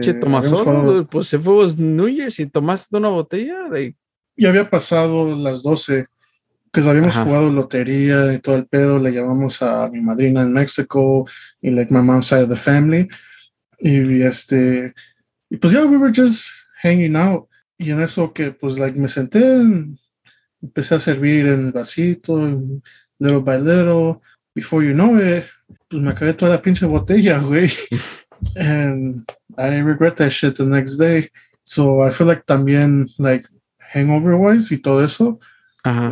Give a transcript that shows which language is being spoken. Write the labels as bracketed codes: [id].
[es] ¿qué tomas solo? Pues [en] if it was New Year's [es] y tomaste una botella, like... Y había pasado las 12. Because habíamos jugado lotería y todo el pedo. Le llamamos a mi madrina en México. [en] Y like my mom's side of the family. [es] Y este... Y pues [en] yeah, we were just hanging out. [es] Y en eso que pues like me senté en... Empecé a servir en el vasito, [en] little by little. Before you know it, [es] pues me acabé toda la pinche botella, güey. [en] And I regret that shit the next day. So I feel like también, like, hangover-wise [es] y todo eso, [en] uh-huh.